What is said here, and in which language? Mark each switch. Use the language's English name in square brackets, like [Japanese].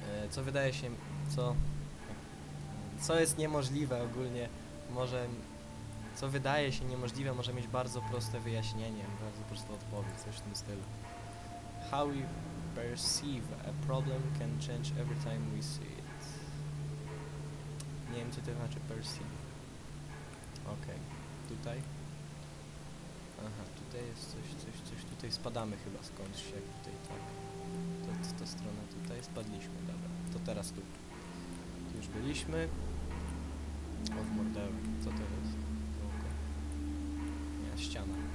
[Polish] Co wydaje się, co jest niemożliwe ogólnie, może, co wydaje się niemożliwe, może mieć bardzo proste wyjaśnienie, bardzo prostą odpowiedź, coś w tym stylu. [English] How we perceive a problem can change every time we see it. [Polish] Nie wiem, co to znaczy perceive. Okej, okay. Tutaj. Aha, tutaj jest coś, tutaj spadamy chyba skądś, jak tutaj, tak, ta strona tutaj, spadliśmy, dobra, to teraz tu, już byliśmy, o w mordelu, co to jest, oko, nie, ściana.